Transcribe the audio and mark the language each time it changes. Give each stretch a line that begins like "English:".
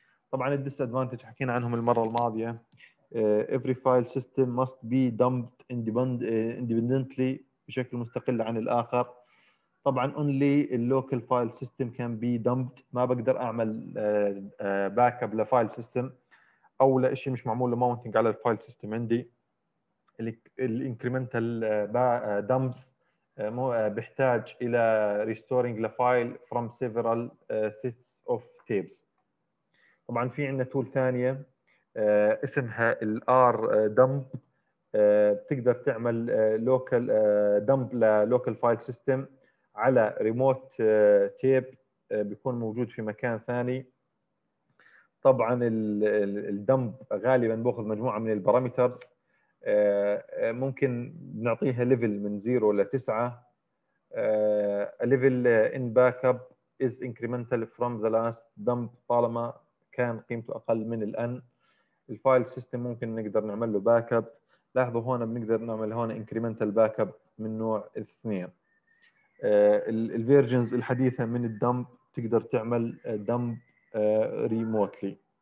Arabic: طبعا الديس ادفانتج حكينا عنهم المره الماضيه،
English: every file system must be dumped independently
Arabic: بشكل مستقل عن الآخر. طبعاً
English: only local file system can be dumped،
Arabic: ما بقدر أعمل backup لفايل سيستم أو لإشي مش معمول لماونتنج على الفايل سيستم عندي.
English: الincremental dumps
Arabic: بحتاج إلى
English: restoring لفايل from several sets of tapes.
Arabic: طبعاً في عندنا tool ثانية اسمها الـ R-Dump، بتقدر تعمل
English: local dump
Arabic: لـ
English: local file system
Arabic: على
English: remote tape
Arabic: بيكون موجود في مكان ثاني. طبعاً الـ dump غالباً بأخذ مجموعة من البرامترز، ممكن نعطيها level من 0 إلى 9.
English: level in backup is incremental from the last dump
Arabic: طالما كان قيمته أقل من الآن. الفايل سيستم ممكن نقدر نعمل له باك اب، لاحظوا هون بنقدر نعمل هون انكريمنتال باك اب من نوع 2. الفيرجنز الحديثه من الدمب تقدر تعمل دمب ريموتلي.